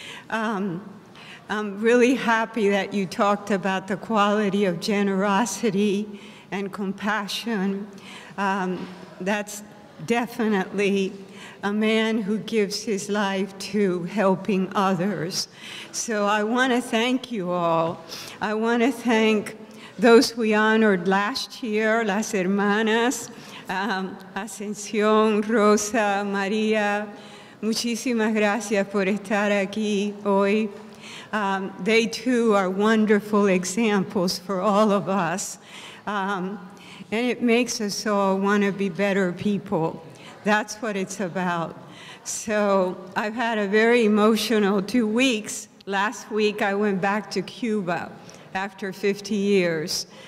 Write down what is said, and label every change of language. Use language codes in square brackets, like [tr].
[en] I'm really happy that you talked about the quality of generosity and compassion. That's definitely a man who gives his life to helping others. So I want to thank you all. I want to thank those we honored last year, Las Hermanas, Ascensión, Rosa, María, [es] muchísimas gracias por estar aquí hoy. [en] They too are wonderful examples for all of us. And it makes us all want to be better people. That's what it's about. So I've had a very emotional 2 weeks. Last week I went back to Cuba after 50 years.